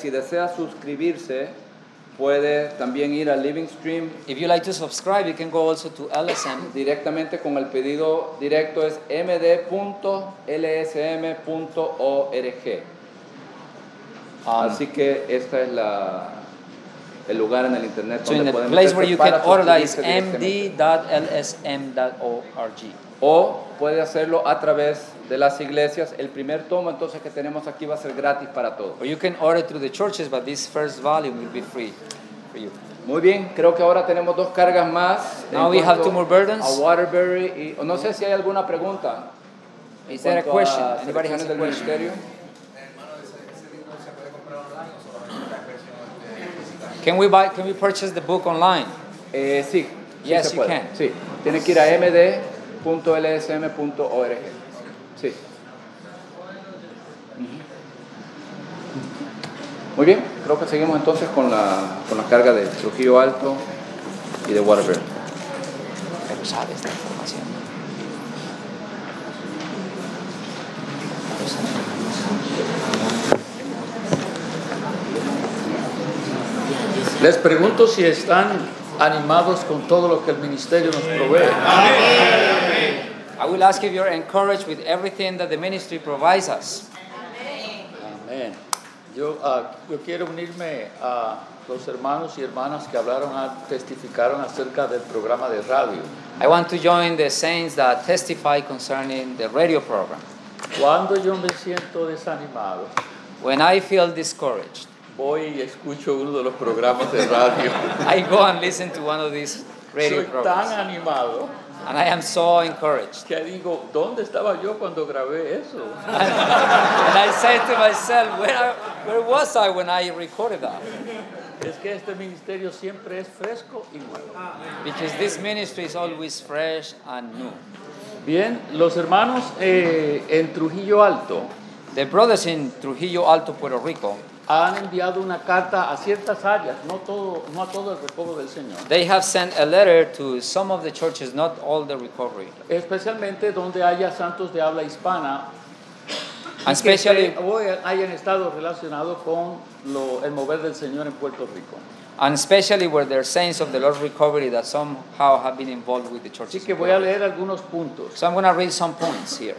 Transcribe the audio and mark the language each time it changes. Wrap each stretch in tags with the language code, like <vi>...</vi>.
<es>Si desea suscribirse, puede también ir a Living Stream.</es> <en>If you like to subscribe, you can go also to LSM.</en> <es>Directamente con el pedido directo es md.lsm.org. Así que esta es la el lugar en el internet donde podemos.</es> <en>The place where you can order that is md.lsm.org.</en> <es>O puede hacerlo a través de las iglesias. El primer tomo entonces que tenemos aquí va a ser gratis para todos.</es> <en>Or you can order through the churches, but this first volume will be free.</en> <es>Muy bien, creo que ahora tenemos dos cargas más.</es> <en>Now we have two more burdens.</en> <es>A Waterbury y no sé si hay alguna pregunta.</es> <en>Is there a question? Anybody has a question? Can we purchase the book online?</en> <es>Sí.</es> <en>Yes,</en> <es>sí,</es> <en>you can.</en> <es>Sí. Tiene que ir a md.lsm.org. Sí. Muy bien, creo que seguimos entonces con la carga de Trujillo Alto y de Waterbury. Pero sabe esta información. Les pregunto si están animados con todo lo que el ministerio nos provee.</es> <en>I will ask if you're encouraged with everything that the ministry provides us.</en> <es>Amén. Yo quiero unirme a los hermanos y hermanas que hablaron, testificaron acerca del programa de radio.</es> <en>I want to join the saints that testify concerning the radio program.</en> <es>Cuando yo me siento desanimado,</es> <en>when I feel discouraged,</en> <es>voy y escucho uno de los programas de radio.</es> <en>I go and listen to one of these radio</en> <es>programs. Soy tan animado.</es> <en>And I am so encouraged.</en> <es>Que digo, ¿dónde estaba yo cuando grabé eso?</es> <en>And I said to myself, where was I when I recorded that?</en> <es>Es que este ministerio siempre es fresco y nuevo.</es> <en>Because this ministry is always fresh and new.</en> <es>Bien, los hermanos en Trujillo Alto.</es> <en>The brothers in Trujillo Alto, Puerto Rico.</en> <es>Han enviado una carta a ciertas áreas, no a todo el recobro del Señor.</es> <en>They have sent a letter to some of the churches, not all the recovery.</en> <es>Especialmente donde haya santos de habla hispana.</es> <en>And especially</en> <es>que hayan estado relacionados con el mover del Señor en Puerto Rico.</es> <en>And especially where there are saints of the Lord's recovery that somehow have been involved with the churches.</en> <es>Así que voy a leer algunos puntos.</es> <en>So I'm going to read some points here.</en>